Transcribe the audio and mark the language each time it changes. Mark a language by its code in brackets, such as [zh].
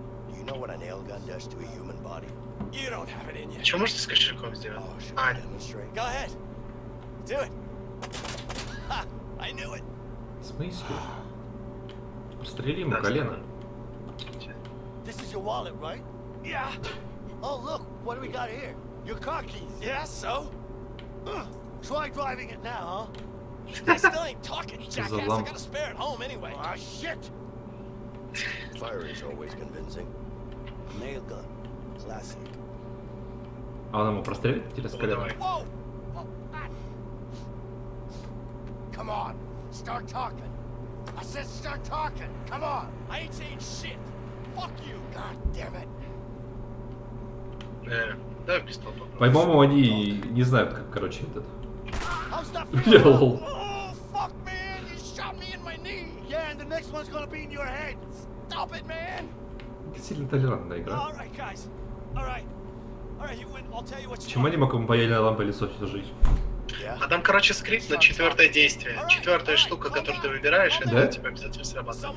[en] Do you know what a nail gun does to a human body? You don't have it in you. [ru] Что можешь с кошельком сделать? [en] Go ahead. Do it. I knew it. [ru] В смысле? Прострели ему колено. [en] This is your wallet, right? Yeah. Oh, look, what do we got here? Your car keys. Yeah, so? Try driving it now, huh? I still ain't talking, jackass. I got a spare at home anyway. Ah, shit! Fire is always convincing. Nail gun. Classic. [ru] А он ему прострелит через колено? [en] Come on, start talking. I said start talking. Come on. I ain't saying shit. Fuck you. God damn it. [ru] Давай пистолет попробуем. По-моему, они не знают, как, короче, этот... [en] How's that feel? Oh, fuck, man! You shot me in my knee! Yeah, and the next one's gonna be in your head! Stop it, man! [ru] Сильно толерантная игра. [en] Alright, guys. Alright. Alright, you win. I'll tell you what you want. [ru] Чем они могут ему паяльной лампой лицо всю жизнь? А там, короче, скрипт на четвертое действие. Четвертая штука, которую ты выбираешь, это у тебя обязательно срабатывает.